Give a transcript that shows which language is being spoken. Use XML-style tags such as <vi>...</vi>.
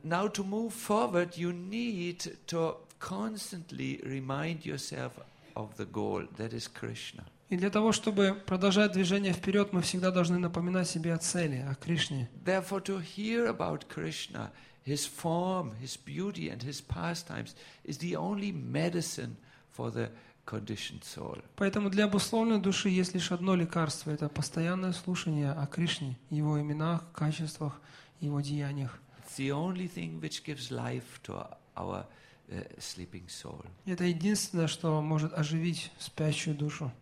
<en>Now to move forward, you need to constantly remind yourself of the goal, that is Krishna.</en> <ru>И для того, чтобы продолжать движение вперед, мы всегда должны напоминать себе о цели, о Кришне.</ru> <en>Therefore, to hear about Krishna, His form, His beauty, and His pastimes is the only medicine for the conditioned soul.</en> <ru>Поэтому для обусловленной души есть лишь одно лекарство – это постоянное слушание о Кришне, Его именах, качествах, Его деяниях.</ru> <en>It's the only thing which gives life to our sleeping soul.</en> <ru>Это единственное, что может оживить спящую душу.</ru>